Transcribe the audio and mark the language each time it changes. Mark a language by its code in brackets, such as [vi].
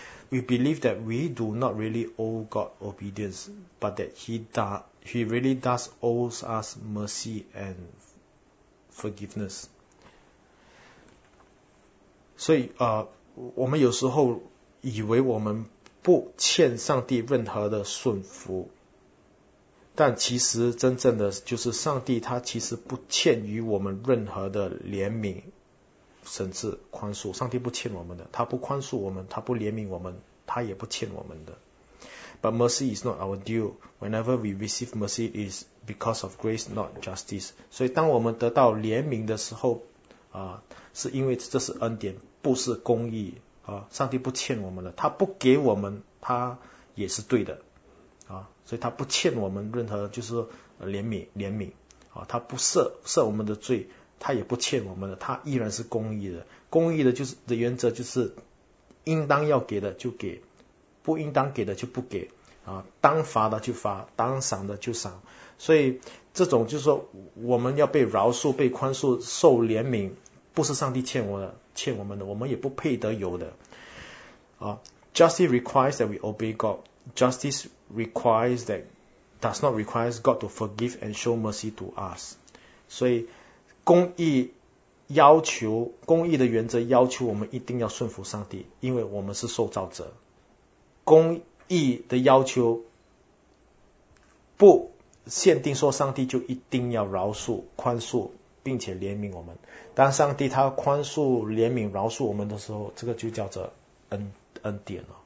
[en] we believe that we do not really owe God obedience, but that he really does owe us mercy and forgiveness. [zh] 所以我们有时候以为我们不欠上帝任何的顺服，但其实真正的就是上帝他其实不欠于我们任何的怜悯甚至宽恕，上帝不欠我们的，他不宽恕我们，他不怜悯我们，他也不欠我们的。 [en] But mercy is not our due. Whenever we receive mercy, it is because of grace, not justice. [zh] 所以当我们得到怜悯的时候是因为这是恩典，不是公义上帝不欠我们的，他不给我们他也是对的所以他不欠我们任何就是怜悯他不赦我们的罪，他也不欠我们的，他依然是公义的。公义的就是的原则就是应当要给的就给，不应当给的就不给当罚的就罚，当赏的就赏。所以这种就是说我们要被饶恕被宽恕受怜悯，不是上帝欠我们的，我们也不配得有的 [en] Justice requires that we obey God. Justice requires that does not require God to forgive and show mercy to us. [zh] 所以公义要求，公义的原则要求我们一定要顺服上帝，因为我们是受造者。公义的要求不限定说上帝就一定要饶恕宽恕并且怜悯我们，当上帝他宽恕怜悯饶恕我们的时候，这个就叫做恩典